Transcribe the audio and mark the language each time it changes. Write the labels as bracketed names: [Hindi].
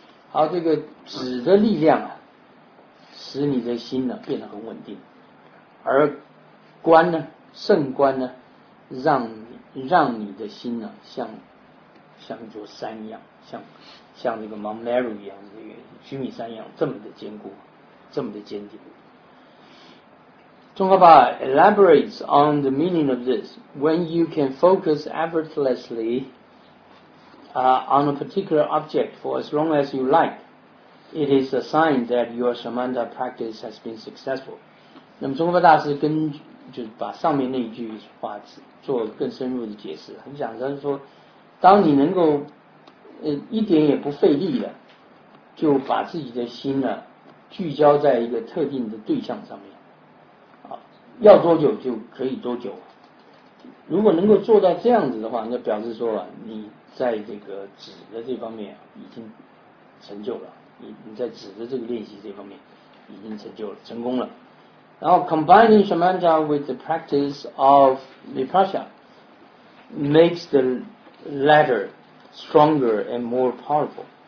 [Chinese] 好，这个止的力量啊，使你的心呢变得很稳定，而观呢，圣观呢，让你的心呢，像一座山一样，像这个 Mount Meru 一样，这个须弥山一样，这么的坚固，这么的坚定。 [English] 宗喀巴 elaborates on the meaning of this. When you can focus effortlessly on a particular object for as long as you like, it is a sign that your Shamatha practice has been successful. [Chinese] 那么宗喀巴大师跟就是把上面那一句话做更深入的解释，很讲他说，当你能够一点也不费力的就把自己的心呢聚焦在一个特定的对象上面，要多久就可以多久，如果能够做到这样子的话，那表示说你在这个止的这方面已经成就了，你在止的这个练习这方面已经成就了，成功了。 [English] Now, combining Shamatha with the practice of Vipassana makes the latter stronger and more powerful.